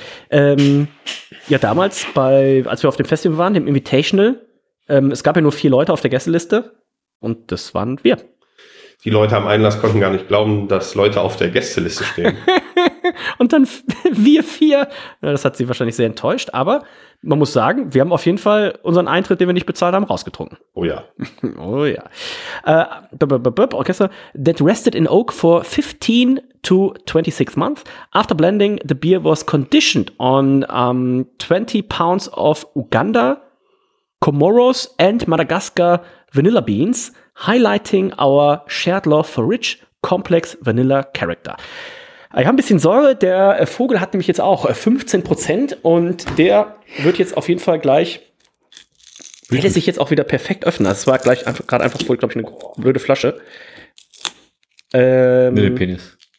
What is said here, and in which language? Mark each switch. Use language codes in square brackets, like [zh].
[de] Ja, damals, als wir auf dem Festival waren, dem Invitational, es gab ja nur 4 Leute auf der Gästeliste und das waren wir. Die Leute am Einlass konnten gar nicht glauben, dass Leute auf der Gästeliste stehen. Und dann wir vier. Na, das hat sie wahrscheinlich sehr enttäuscht, aber man muss sagen, wir haben auf jeden Fall unseren Eintritt, den wir nicht bezahlt haben, rausgetrunken. Oh ja. Oh ja. [en] Orchester, that rested in oak for 15 to 26 months. After blending, the beer was conditioned on 20 pounds of Uganda, Comoros and Madagascar vanilla beans, highlighting our shared love for rich, complex vanilla character. [de] Ich habe ein bisschen Sorge, der Vogel hat nämlich jetzt auch 15% und der wird jetzt auf jeden Fall gleich, wird er sich jetzt auch wieder perfekt öffnen. Das war gleich einfach, gerade einfach voll, glaube ich, eine blöde Flasche. Blöde Penis.